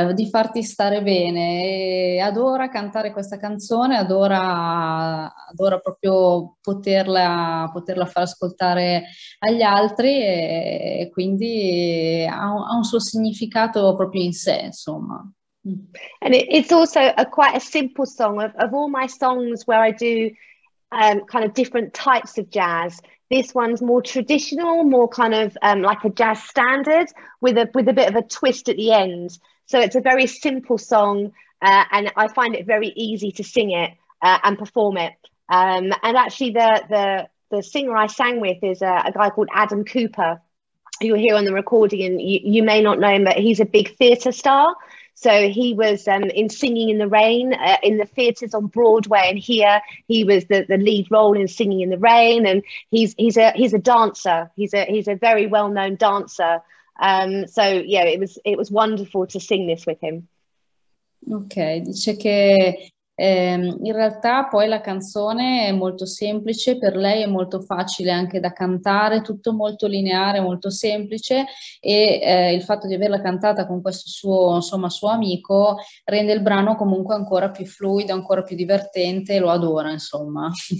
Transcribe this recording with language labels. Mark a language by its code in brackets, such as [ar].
[it] farti stare bene e adora cantare questa canzone, adora proprio poterla far ascoltare agli altri e quindi ha un suo significato proprio in sé, insomma. [en] And it's also quite a simple song. Of all my songs where I do kind of different types of jazz, this one's more traditional, more kind of like a jazz standard with a bit of a twist at the end. So it's a very simple song, and I find it very easy to sing it and perform it. And actually, the singer I sang with is a guy called Adam Cooper, who you'll hear on the recording, and you may not know him, but he's a big theatre star. So he was in Singing in the Rain in the theatres on Broadway, and here he was the lead role in Singing in the Rain. And he's a dancer. He's a very well known dancer. So yeah, it was wonderful to sing this with him. [it] Ok, dice che in realtà poi la canzone è molto semplice, per lei è molto facile anche da cantare, tutto molto lineare, molto semplice, e il fatto di averla cantata con questo suo, insomma, suo amico rende il brano comunque ancora più fluido, ancora più divertente, e lo adora, insomma.